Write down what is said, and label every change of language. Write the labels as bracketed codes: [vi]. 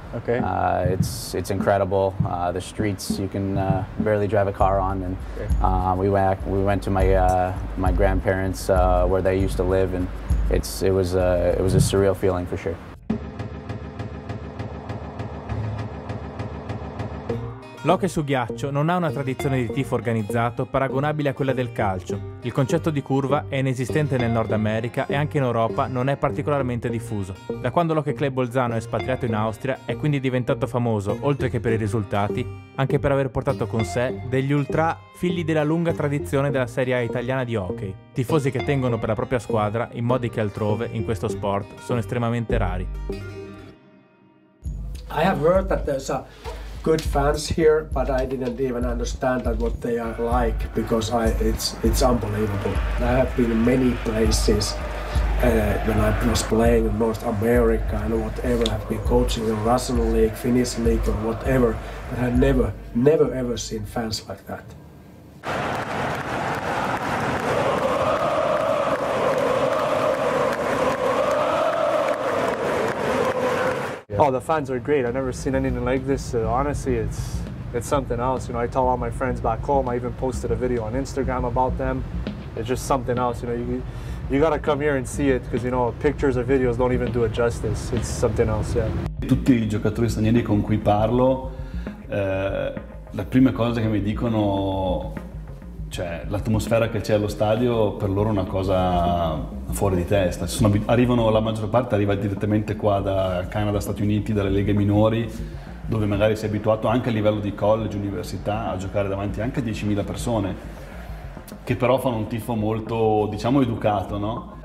[en] Okay. It's incredible. The streets you can barely drive a car on, and okay. We went to my grandparents where they used to live, and it was a surreal feeling for sure. [it] L'hockey su ghiaccio non ha una tradizione di tifo organizzato paragonabile a quella del calcio. Il concetto di curva è inesistente nel Nord America e anche in Europa non è particolarmente diffuso. Da quando l'Hockey Club Bolzano è espatriato in Austria, è quindi diventato famoso, oltre che per i risultati, anche per aver portato con sé degli ultra figli della lunga tradizione della Serie A italiana di hockey, tifosi che tengono per la propria squadra in modi che altrove, in questo sport, sono estremamente rari. [en] I have heard that there's a good fans here, but I didn't even understand that what they are like, because it's unbelievable. I have been in many places when I was playing in North America and whatever. I've been coaching in Russian League, Finnish League, or whatever, but I've never ever seen fans like that. Oh, the fans are great. I've never seen anything like this. Honestly, it's something else. You know, I tell all my friends back home. I even posted a video on Instagram about them. It's just something else. You know, you gotta come here and see it, because you know, pictures or videos don't even do it justice. It's something else. Yeah. [it] Tutti i giocatori stranieri con cui parlo, la prima cosa che mi dicono, cioè l'atmosfera che c'è allo stadio, per loro è una cosa fuori di testa. La maggior parte arriva direttamente qua da Canada, Stati Uniti, dalle leghe minori, dove magari si è abituato anche a livello di college, università, a giocare davanti anche a 10.000 persone, che però fanno un tifo molto, diciamo, educato, no?